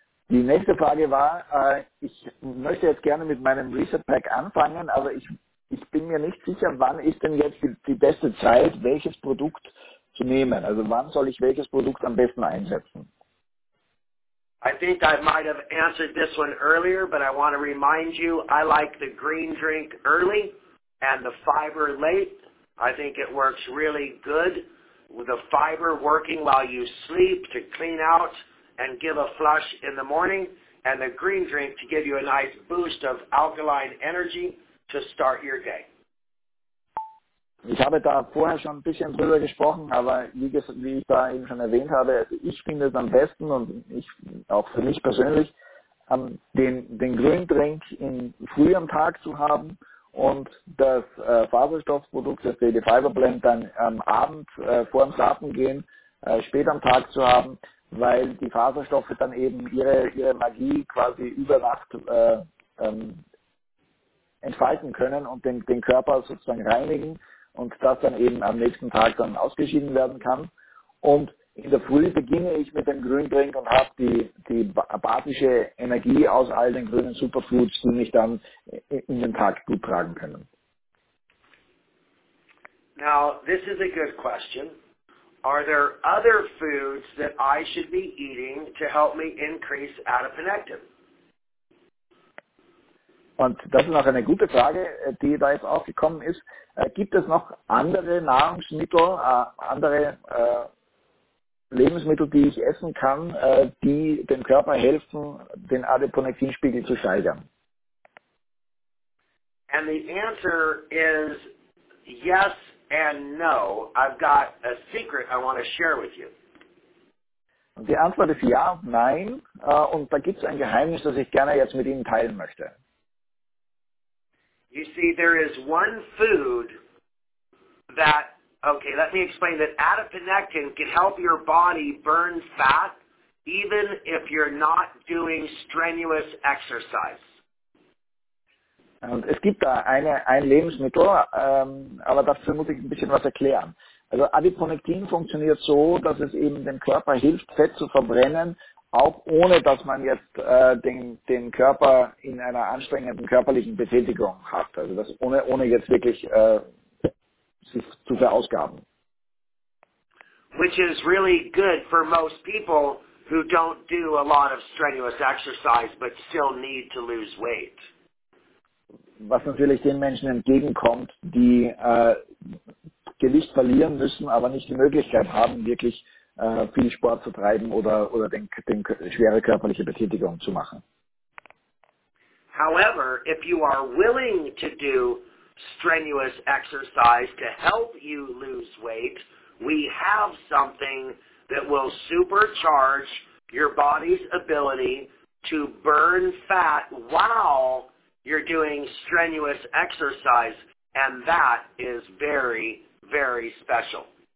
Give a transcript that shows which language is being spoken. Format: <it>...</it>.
<de>Die nächste Frage war, ich möchte jetzt gerne mit meinem Reset Pack anfangen, aber ich bin mir nicht sicher, wann ist denn jetzt die beste Zeit, welches Produkt zu nehmen? Also wann soll ich welches Produkt am besten einsetzen?</de> <en>I think I might have answered this one earlier, but I want to remind you, I like the green drink early. And the fiber late, I think it works really good with the fiber working while you sleep to clean out and give a flush in the morning, and the green drink to give you a nice boost of alkaline energy to start your day.</en> <de>Ich habe da vorher schon ein bisschen drüber gesprochen, aber wie ich da eben schon erwähnt habe, ich finde es am besten und ich auch für mich persönlich, den Green Drink früh am Tag zu haben. Und das Faserstoffprodukt, das Daily Fiber Blend, dann am Abend vor dem Schlafengehen spät am Tag zu haben, weil die Faserstoffe dann eben ihre Magie quasi über Nacht entfalten können und den Körper sozusagen reinigen und das dann eben am nächsten Tag dann ausgeschieden werden kann. Und in der Früh beginne ich mit dem Green Drink und habe die basische Energie aus all den grünen Superfoods, die mich dann in den Tag gut tragen können.</de> <en>Now, this is a good question. Are there other foods that I should be eating to help me increase adiponectin?</en> <de>Und das ist noch eine gute Frage, die da jetzt auch gekommen ist. Gibt es noch andere Nahrungsmittel, Lebensmittel, die ich essen kann, die dem Körper helfen, den Adiponektinspiegel zu steigern?</de> <en>And the answer is yes and no. I've got a secret I want to share with you.</en> <de>Und die Antwort ist ja, nein. Und da gibt es ein Geheimnis, das ich gerne jetzt mit Ihnen teilen möchte.</de> <en>You see, there is one food that okay, let me explain that adiponectin can help your body burn fat even if you're not doing strenuous exercise.</en> <de>Und es gibt da ein Lebensmittel, aber dazu muss ich ein bisschen was erklären. Also Adiponektin funktioniert so, dass es eben dem Körper hilft, Fett zu verbrennen, auch ohne dass man jetzt den Körper in einer anstrengenden körperlichen Betätigung hat. Also das ohne jetzt wirklich sich zu verausgaben.</de> <en>Which is really good for most people who don't do a lot of strenuous exercise but still need to lose weight.</en> <de>Was natürlich den Menschen entgegenkommt, die Gewicht verlieren müssen, aber nicht die Möglichkeit haben, wirklich viel Sport zu treiben oder den schwere körperliche Betätigung zu machen.</de> <en>However, if you are willing to do strenuous exercise to help you lose weight, we have something that will supercharge your body's ability to burn fat while you're doing strenuous exercise, and that is very, very special.</en>